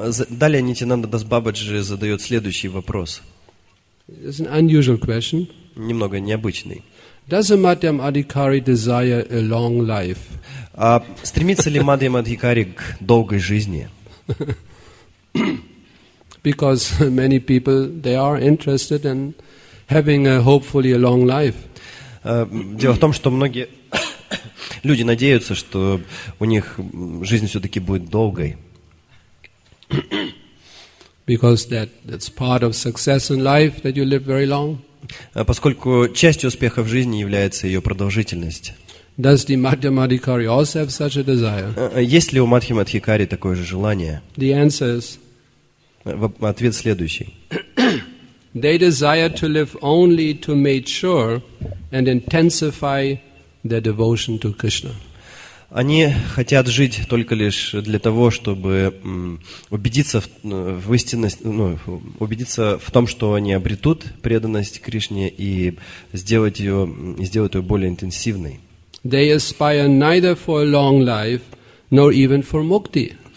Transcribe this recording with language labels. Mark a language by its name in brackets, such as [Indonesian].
[Russian] Далее Нитянанда Дас Бабаджи задает следующий вопрос. [English] It's an unusual question. [Russian] Немного необычный. [English] Does a Madhyam Adhikari desire a long life? [Russian] А стремится ли Мадхьям Адхикари к долгой жизни? [English] Because many people they are interested in having hopefully a long life. [Russian] Дело в том, что многие люди надеются, что у них жизнь все-таки будет долгой. [English] Because that's part of success in life that you live very long. [Russian] Поскольку частью успеха в жизни является ее продолжительность. [English] Does the Madhyam Adhikari also have such a desire? [Russian] Есть ли у Мадхьям Адхикари такое же желание? [English] The answer is. [Russian] Ответ следующий. [English] They desire to live only to make sure and intensify their devotion to Krishna. [Russian] Они хотят жить только лишь для того, чтобы убедиться в истинность, ну, убедиться в том, что они обретут преданность Кришне и сделать ее более интенсивной. [English] They aspire neither for a long life, nor even for mukti.